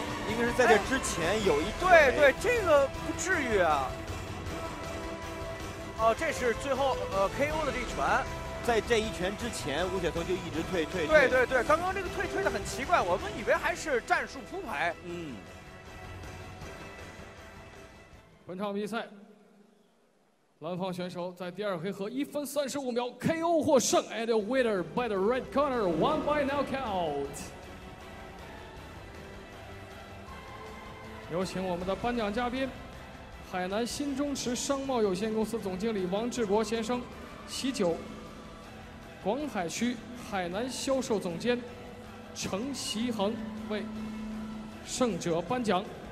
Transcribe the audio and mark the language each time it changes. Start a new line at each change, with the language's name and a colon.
Chinese: 应该是在这之前有一对对，这个不至于啊。哦，这是最后KO 的这一拳，在这一拳之前，吴雪彤就一直退退。对对对，刚刚这个退退的很奇怪，我们以为还是战术铺排。嗯。本场比赛，蓝方选手在第二回合1分35秒 KO 获胜 ，
English: and the winner by the red corner one by knockout。
Chinese: 有请我们的颁奖嘉宾，海南新中驰商贸有限公司总经理王志国先生，喜酒广海区海南销售总监程习恒为胜者颁奖。